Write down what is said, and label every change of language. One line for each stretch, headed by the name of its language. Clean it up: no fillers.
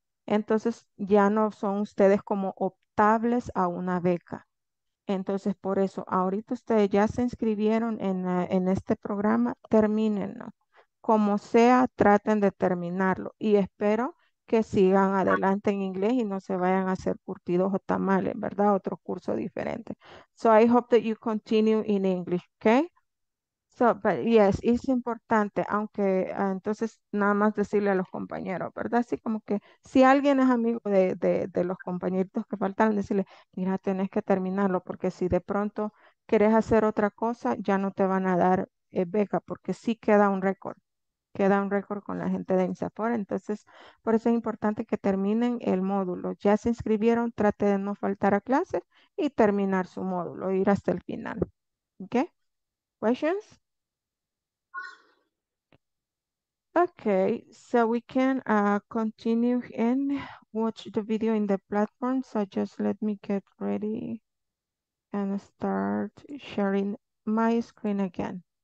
Spanish: Entonces ya no son ustedes como optables a una beca. Entonces, por eso, ahorita ustedes ya se inscribieron en este programa, termínenlo. Como sea, traten de terminarlo. Y espero que sigan adelante en inglés y no se vayan a hacer curtidos o tamales, ¿verdad? Otro curso diferente.
English: So, I hope that you continue in English, okay? So, but yes,
Spanish: es importante, aunque entonces nada más decirle a los compañeros, ¿verdad? Así como que si alguien es amigo de los compañeritos que faltan, decirle, mira, tienes que terminarlo, porque si de pronto quieres hacer otra cosa, ya no te van a dar beca, porque sí queda un récord con la gente de INSAFOR. Entonces, por eso es importante que terminen el módulo. Ya se inscribieron, trate de no faltar a clase y terminar su módulo, ir hasta el final, ¿ok?
English: Questions? Okay, so we can continue and watch the video in the platform. So just let me get ready and start sharing my screen again.